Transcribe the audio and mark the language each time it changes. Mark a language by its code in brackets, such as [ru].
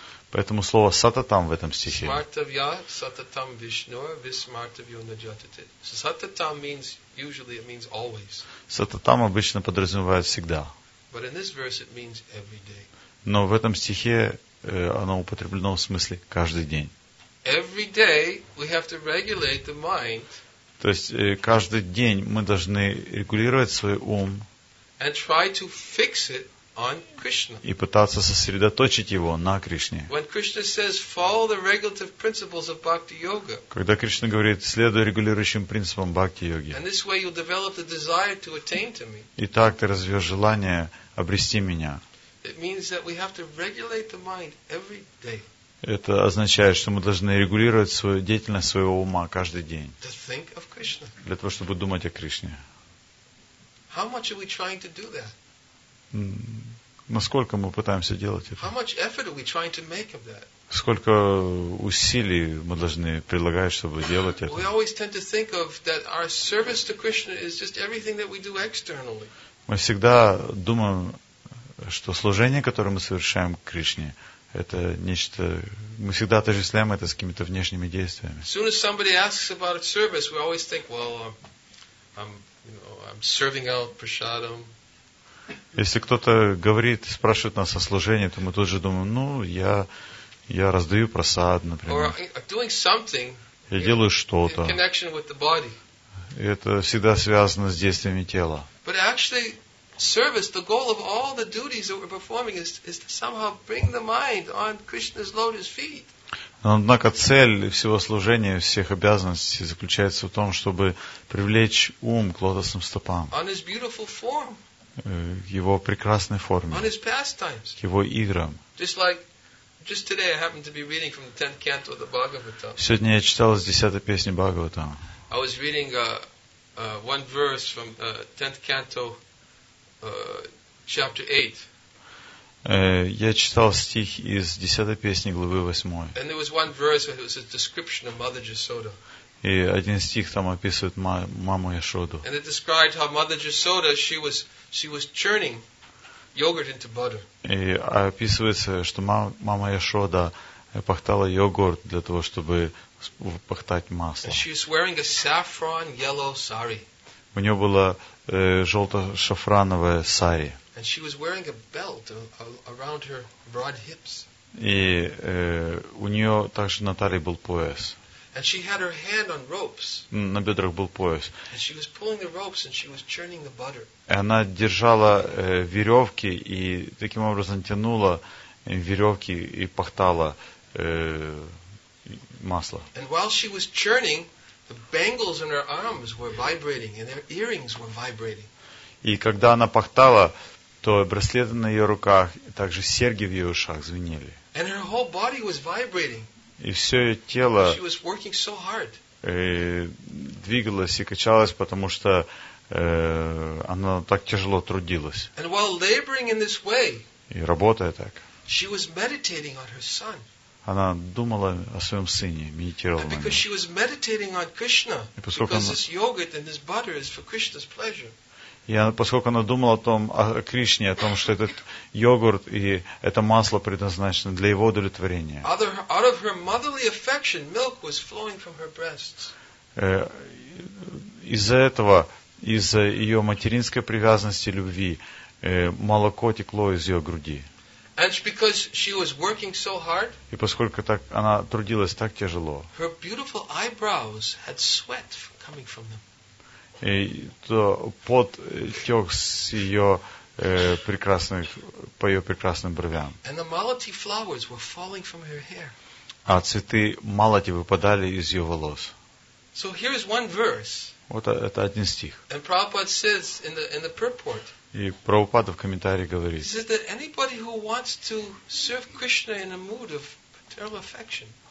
[ru] Поэтому слово сататам в этом стихе. [sa] Смартавья, сататам вишнур, висмартавью наджатите. [en] Сататам means, usually it means always. [ru] Сататам обычно подразумевает всегда. [en] But in this verse it means every day. [ru] Но в этом стихе оно употреблено в смысле каждый день. [en] Every day we have to regulate the mind. [ru] То есть каждый день мы должны регулировать свой ум [en] and try to fix it on Krishna. [ru] И пытаться сосредоточить его на Кришне. [en] When Krishna says, follow the regulative principles of bhakti yoga. [ru] Когда Кришна говорит, следуй регулирующим принципам бхакти-йоги. [en] And this way you'll develop the desire to attain to me. [ru] И так ты развьешь желание обрести меня. [en] It means that we have to regulate the mind every day. [ru] Это означает, что мы должны регулировать свою деятельность своего ума каждый день. [en] To think of Krishna. [ru] Для того, чтобы думать о Кришне. [en] How much are we trying to do that? [ru] Насколько мы пытаемся делать это? [en] How much effort are we trying to make of that? [ru] Сколько усилий мы должны прилагать, чтобы делать это? [en] We always tend to think of that our service to Krishna is just everything that we do externally. [ru] Мы всегда думаем, что служение, которое мы совершаем Кришне, это нечто... Мы всегда отождествляем это с какими-то внешними действиями. [en] As soon as somebody asks about a service, we always think, well, I'm serving out prasadam. [ru] Если кто-то говорит, спрашивает нас о служении, то мы тут же думаем, ну, я раздаю прасад, например. [en] Or doing something [ru] я делаю что-то. [en] In connection with the body. [ru] И это всегда связано с действиями тела. [en] But actually... Service, the goal of all the duties that we're performing is to somehow bring the mind on Krishna's lotus feet. [ru] Однако цель всего служения, всех обязанностей заключается в том, чтобы привлечь ум к лотосным стопам. [en] On his beautiful form. [ru] Его прекрасной форме. [en] On his pastimes. [ru] Его играм. [en] Just today I happened to be reading from the 10th canto of the Bhagavatam. [ru] Сегодня я читал из 10-й песни Бхагаватам. [en] I was reading one verse from the 10th canto. Chapter 8. [ru] Я читал стих из 10-й песни главы 8. [en] And there was one verse where it was a description of Mother Yashoda. [ru] И один стих там описывает маму Яшоду. [en] And it described how Mother Yashoda she was churning yogurt into butter. [ru] И описывается, что мама Яшода пахтала йогурт для того, чтобы пахтать масло. [en] And she was wearing a saffron yellow sari. [ru] У нее было желто-шафрановое сари. [en] And she was wearing a belt around her broad hips. [ru] И у нее также на талии был пояс. [en] And she had her hand on ropes. [ru] На бедрах был пояс. [en] And she was pulling the ropes and she was churning the butter. [ru] И она держала веревки и таким образом тянула веревки и пахтала масло. [en] And while she was churning, the bangles on her arms were vibrating, and her earrings were vibrating. [ru] И когда она пахтала, то браслеты на ее руках, также серьги в ее ушах звенели. [en] And her whole body was vibrating. [ru] И все ее тело. [en] She was working so hard. [ru] Двигалось и качалось, потому что она так тяжело трудилась. [en] And while laboring in this way. [ru] И работая так. [en] She was meditating on her son. [ru] Она думала о своем сыне, медитировала на нем. [en] Because she was meditating on Krishna, because this yogurt and this butter is for Krishna's pleasure. [ru] И поскольку она думала о том, о Кришне, о том, что этот йогурт и это масло предназначено для его удовлетворения. [en] Out of her motherly affection, milk was flowing from her breasts. [ru] Из-за этого, из-за ее материнской привязанности, любви, молоко текло из ее груди. [en] And because she was working so hard, [ru] и поскольку так она трудилась так тяжело, [en] her beautiful eyebrows had sweat coming from them. [ru] И то пот тек с ее прекрасных по ее прекрасным бровям. [en] And the malati flowers were falling from her hair. [ru] А цветы малати выпадали из ее волос. [en] So here is one verse. [ru] Вот это один стих. [en] And Prabhupada says in the purport. [ru] И Прабхупада в комментарии говорит. [en] He says that anybody who wants to serve Krishna in a mood of paternal affection.